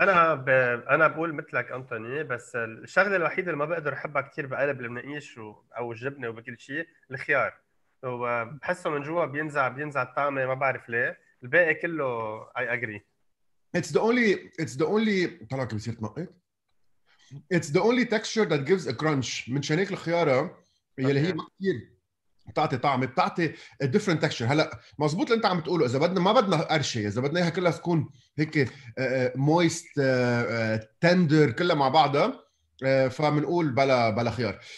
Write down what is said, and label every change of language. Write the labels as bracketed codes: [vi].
[ar] أنا بقول مثلك أنتوني، بس الشغلة الوحيدة اللي ما بقدر أحبها كتير بقلب المنقيش أو الجبنة وبكل شيء الخيار، وبحسه من جوا بينزع الطعمة، ما بعرف ليه. الباقي كله [en] I agree. It's the only [ar] طلعك بصير تنقيت. [en] It's the only texture that gives a crunch. [ar] من شانيك الخيارة يلي هي ما كتير بتعطي طعمة، بتعطي [en] a different texture. [ar] هلأ مزبوط اللي انت عم تقوله، اذا بدنا ما بدنا قرشة، اذا بدنا اياها كلها تكون هيك [en] moist tender [ar] كلها مع بعضها، فمنقول بلا خيار.